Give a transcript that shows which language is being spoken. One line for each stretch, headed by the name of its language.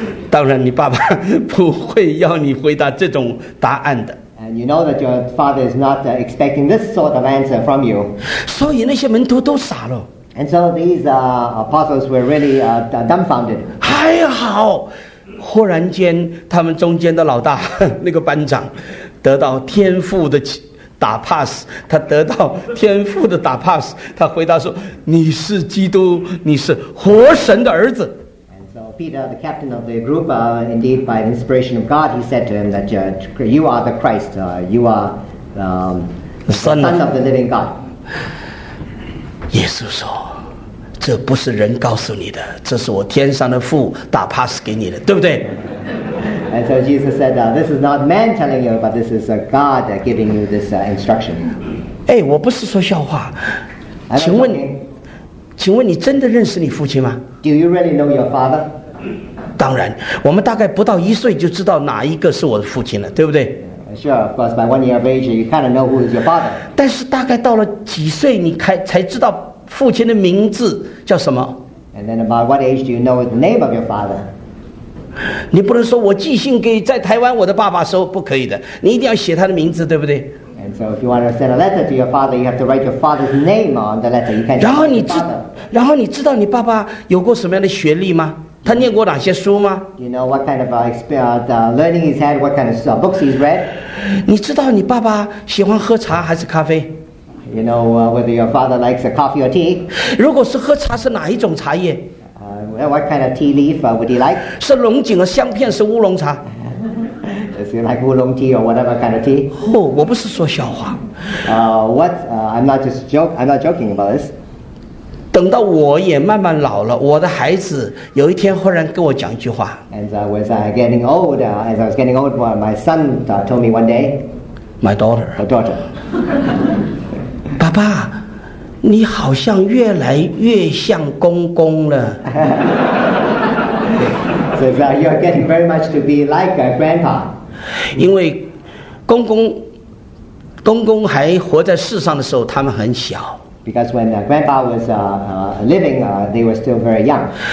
Chinese: 当然，你爸爸不会要你回答这种答案的。
English: And you know that your father is not expecting this sort of answer from you.
Chinese: 所以那些门徒都傻了。
English: And so these apostles were really dumbfounded.
Chinese: 还好。忽然间他们中间的老大那个班长得到天父的打 pass， 他得到天父的打 pass， 他回答说，你是基督，你是活神的儿子。
English: And so Peter the captain of the group indeed by the inspiration of God he said to him that you are the Christ, you are the son of the living God.
Chinese: 耶稣说，这不是人告诉你的，这是我天上的父打 pass 给你的，对不对？
English: And so Jesus said, this is not man telling you, but this is God giving you this instruction.
Chinese: 哎，我不是说笑话，请问你真的认识你父亲吗？
English: Do you really know your father?
Chinese: 当然，我们大概不到一岁就知道哪一个是我的父亲了，对不对？
English: Sure, of course, by 1 year of age, you kind of know who is your father.
Chinese: 但是大概到了几岁，你才知道父亲的名字叫什么？
English: And then about what age do you know the name of your father?
Chinese: 你不能说我寄信给在台湾我的爸爸说，不可以的，你一定要写他的名字，对不对？
English: And so if you want to send a letter to your father, you have to write your father's name on the letter. You can't.
Chinese: 然后你知道你爸爸有过什么样的学历吗？他念过哪些书吗？
English: You know what kind of learning he's had, what kind of books he's read?
Chinese: 你知道你爸爸喜欢喝茶还是咖啡？
English: You know whether your father likes a coffee or tea?
Chinese: 如果是喝茶，是哪一种茶叶？
English: What kind of tea leaf would he like?
Chinese: 是龙井的香片，是乌龙茶。
English: Does he like oolong tea or whatever kind of tea?
Chinese: 我不是说笑话。
English: I'm not joking about this.
Chinese: 等到我也慢慢老了，我的孩子有一天忽然跟我讲一句话。
English: As I was getting old, as I was getting old, my son told me one day. My daughter. My daughter.
Chinese: 爸爸，你好像越来越像公公了。
English: So you are getting very much to be like a grandpa.
Chinese: 因为公公还活在世上的时候，他们很小。
English: Because when grandpa was living, they were still very young.